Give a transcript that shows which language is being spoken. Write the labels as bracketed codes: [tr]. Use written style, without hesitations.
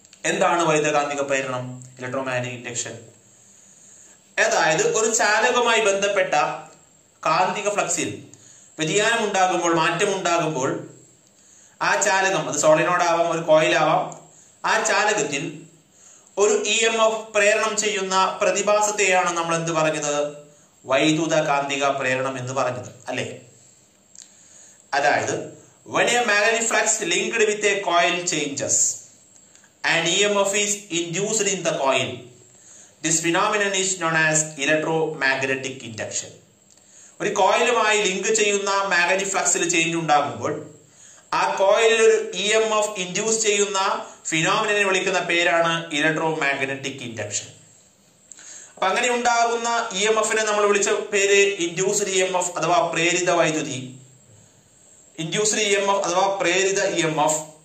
[ml] എന്താണ് വൈദ്യുത കാന്തിക പ്രേരണം, ഇലക്ട്രോമാഗ്നറ്റിക് ഇൻഡക്ഷൻ? അതായത് ഒരു ചാലകവുമായി ബന്ധപ്പെട്ട കാന്തിക ഫ്ലക്സിൽ വ്യതിയാനം ഉണ്ടാകുമ്പോൾ, മാറ്റമുണ്ടാകുമ്പോൾ ആ ചാലകം, അത് സോളിനോഡാവാം ഒരു കോയിലാവാം, ആ ചാലകത്തിൽ ഒരു EMF പ്രേരണം ചെയ്യുന്ന പ്രതിഭാസത്തെയാണ് നമ്മൾ എന്ത് പറഞ്ഞത്? വൈദ്യുത കാന്തിക പ്രേരണം എന്ന് പറഞ്ഞത് അല്ലേ? അതായത് [en] when a magnetic flux linked with a coil changes and EMF is induced in the coil, this phenomenon is known as electromagnetic induction. [ml] ഒരു കോയിലുമായി ലിങ്ക് ചെയ്യുന്ന മാഗ്നറ്റിക് ഫ്ലക്സിൽ ചേഞ്ച് ഉണ്ടാകുമ്പോൾ ആ കോയിലിൽ ഒരു EMF ഇൻഡ്യൂസ് ചെയ്യുന്ന ഫിനോമിനെ വിളിക്കുന്ന പേരാണ് ഇലക്ട്രോമാഗ്നറ്റിക് ഇൻഡക്ഷൻ. അപ്പൊ അങ്ങനെ ഉണ്ടാകുന്ന EMFനെ നമ്മൾ വിളിച്ച പേര് ഇൻഡ്യൂസ്ഡ് EMF അഥവാ പ്രേരിത വൈദ്യുതി, ഇൻഡ്യൂസ്ഡ് EMF അഥവാ പ്രേരിത EMF.